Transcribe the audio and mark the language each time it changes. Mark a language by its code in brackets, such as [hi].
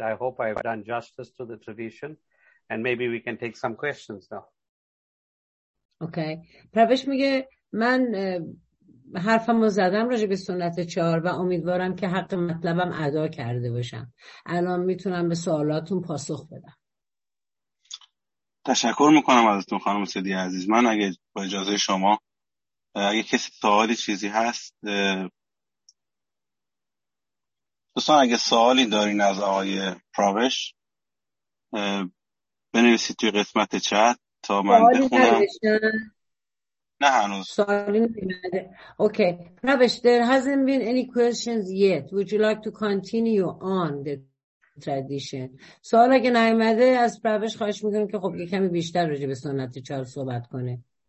[en] I hope I've done justice to the tradition. And maybe we can take some questions now. Okay. [fa] پروش میگه من حرفم رو زدم راجع به سنت چهار و امیدوارم که حق مطلبم ادا کرده باشم. الان میتونم به سوالاتون پاسخ بدم. تشکر میکنم ازتون خانم صدی عزیز. من اگه با اجازه شما اگه کسی سوالی چیزی هست دوستان اگه سوالی دارین از آقای پروش بنویسید توی قسمت چت تا من بخونم. نه هنوز سوالی نمیده. [en] Okay پروش, there hasn't been any questions yet. Would you like to continue on the tradition. [fa] سوال اگه نیومده از پروش خواهش میکنم که خب یه کمی بیشتر راجع به سنت چهار صحبت کنه.